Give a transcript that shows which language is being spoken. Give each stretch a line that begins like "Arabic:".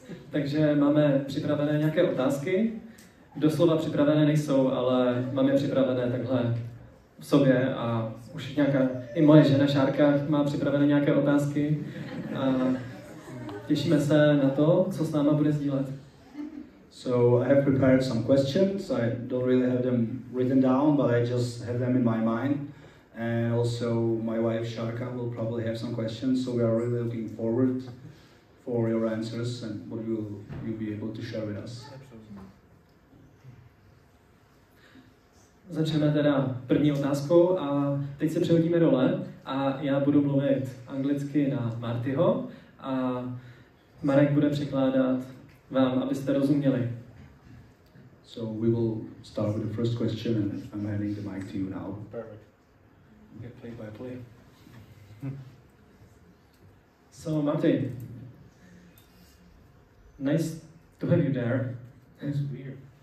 Czech: Takže máme připravené nějaké otázky. Doslova připravené nejsou, ale máme připravené takhle v sobě a už nějaká, i moje žena Šárka má připravené nějaké otázky a těšíme se na to, co s náma bude sdílet.
English: So I have prepared some questions. I don't really have them written down, but I just have them in my mind. And also my wife Šárka will probably have some questions, so we are really looking forward for your answers and what you'll be able to share with us.
Czech: Začneme teda první otázkou a teď se přehodíme role a já budu mluvit anglicky na Martyho a Marek bude překládat vám, abyste rozuměli.
English: So we will start with the first question and I'm handing the mic to you now. Perfect. Get play by play. So Marty, nice to have you there. That's weird.